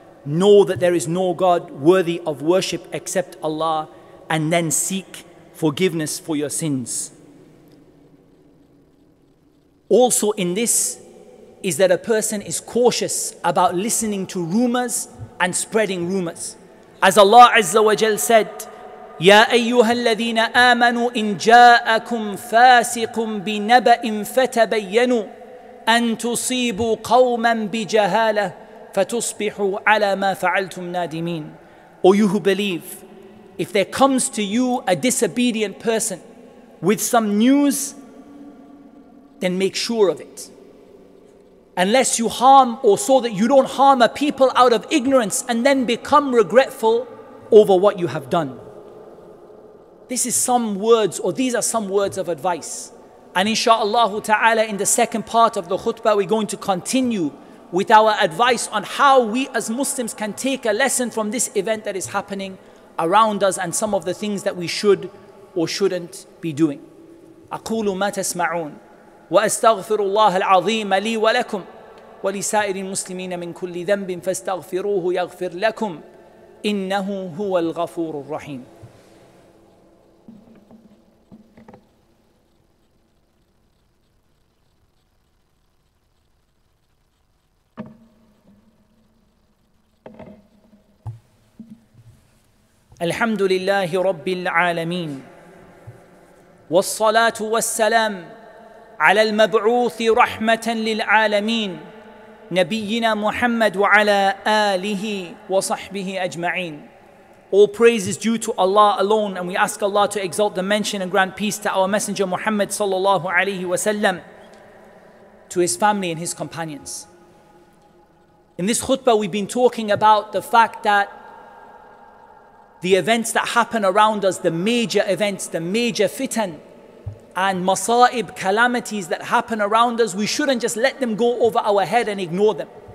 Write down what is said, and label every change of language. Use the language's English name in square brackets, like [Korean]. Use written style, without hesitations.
[English] Know that there is no God worthy of worship except Allah, and then seek forgiveness for your sins. Also in this is that a person is cautious about listening to rumors and spreading rumors. As Allah Azza wa Jal said, [Arabic] يَا أَيُّهَا الَّذِينَ آمَنُوا إِن جَاءَكُمْ فَاسِقٌ بِنَبَئٍ فَتَبَيَّنُوا أَن تُصِيبُوا قَوْمًا بِجَهَالَةٍ فَتُصْبِحُوا عَلَى مَا فَعَلْتُمْ نَادِمِينَ. [English] O you who believe, if there comes to you a disobedient person with some news, then make sure of it. Unless you harm, or so that you don't harm a people out of ignorance and then become regretful over what you have done. This is some words, or these are some words of advice. And inshaAllah ta'ala, in the second part of the khutbah, we're going to continue with our advice on how we as Muslims can take a lesson from this event that is happening around us and some of the things that we should or shouldn't be doing. [Arabic] أقول ما تسمعون وأستغفر الله العظيم لي ولكم ولسائر المسلمين من كل ذنب فاستغفروه يغفر لكم إنه هو الغفور الرحيم. الحمد لله رب العالمين والصلاة والسلام على المبعوث رحمة للعالمين نبينا محمد وعلى آله وصحبه أجمعين. [English] All praise is due to Allah alone, and we ask Allah to exalt the mention and grant peace to our Messenger Muhammad [Arabic] صلى الله عليه وسلم, [English] to his family and his companions. In this khutbah we've been talking about the fact that the events that happen around us, the major events, the major fitan and masaib, calamities that happen around us, we shouldn't just let them go over our head and ignore them.